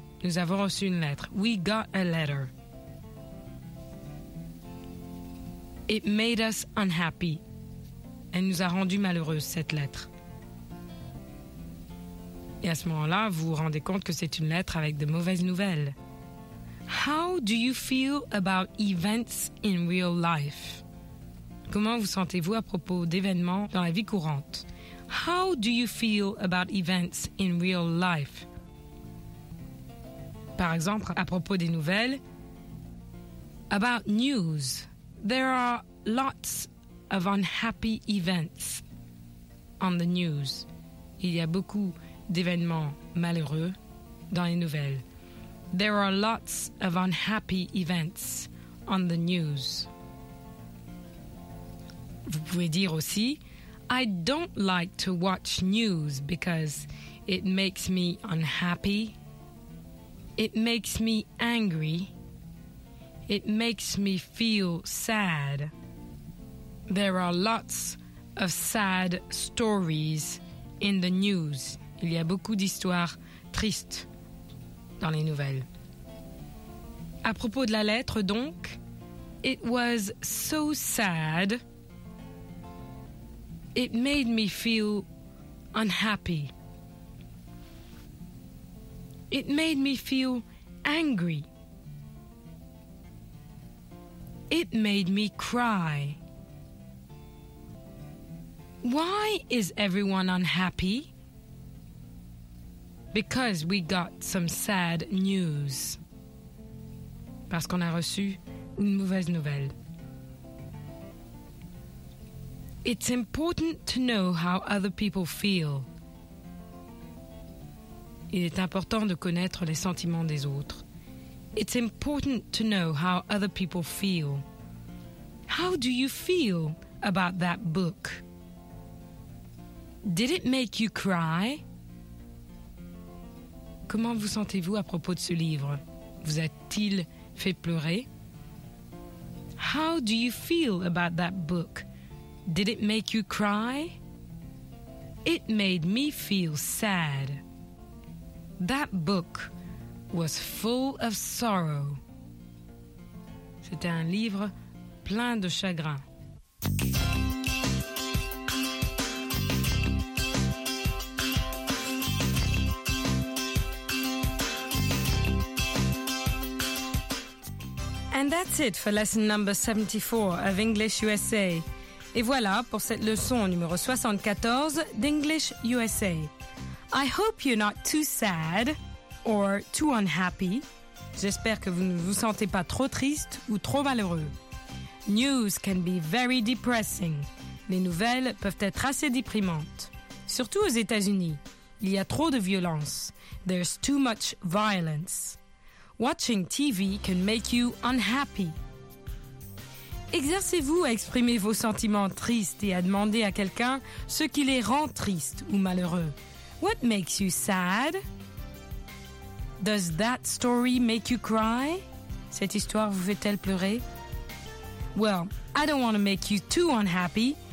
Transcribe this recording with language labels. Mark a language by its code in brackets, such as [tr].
[fr] Nous avons reçu une lettre. We got a letter. [en] It made us unhappy. Elle nous a rendu malheureuse, cette lettre. [fr] Et à ce moment-là, vous vous rendez compte que c'est une lettre avec de mauvaises nouvelles. [en] How do you feel about events in real life? [fr] Comment vous sentez-vous à propos d'événements dans la vie courante? [en] How do you feel about events in real life? [fr] Par exemple, à propos des nouvelles, about news. [en] There are lots of unhappy events on the news. [fr] Il y a beaucoup d'événements malheureux dans les nouvelles. [en] There are lots of unhappy events on the news. Vous pouvez dire aussi, I don't like to watch news because it makes me unhappy. It makes me angry. It makes me feel sad. There are lots of sad stories in the news. [fr] Il y a beaucoup d'histoires tristes dans les nouvelles. À propos de la lettre, donc, it was so sad. [en] It made me feel unhappy. It made me feel angry. It made me cry. Why is everyone unhappy? Because we got some sad news. [fr] Parce qu'on a reçu une mauvaise nouvelle. [en] It's important to know how other people feel. [fr] Il est important de connaître les sentiments des autres. [en] It's important to know how other people feel. How do you feel about that book? Did it make you cry? [fr] Comment vous sentez-vous à propos de ce livre? Vous a-t-il fait pleurer? How do you feel about that book? [en] Did it make you cry? It made me feel sad. That book was full of sorrow. [fr] C'était un livre plein de chagrin. [en] And that's it for lesson number 74 of English USA. [fr] Et voilà pour cette leçon numéro 74 d'English USA. [en] I hope you're not too sad or too unhappy. [fr] J'espère que vous ne vous sentez pas trop triste ou trop malheureux. News can be very depressing. Les nouvelles peuvent être assez déprimantes. Surtout aux États-Unis. Il y a trop de violence. There's too much violence. [en] Watching TV can make you unhappy. [fr] Exercez-vous à exprimer vos sentiments tristes et à demander à quelqu'un ce qui les rend tristes ou malheureux. [en] What makes you sad? Does that story make you cry? [fr] Cette histoire vous fait-elle pleurer? [en] Well, I don't want to make you too unhappy.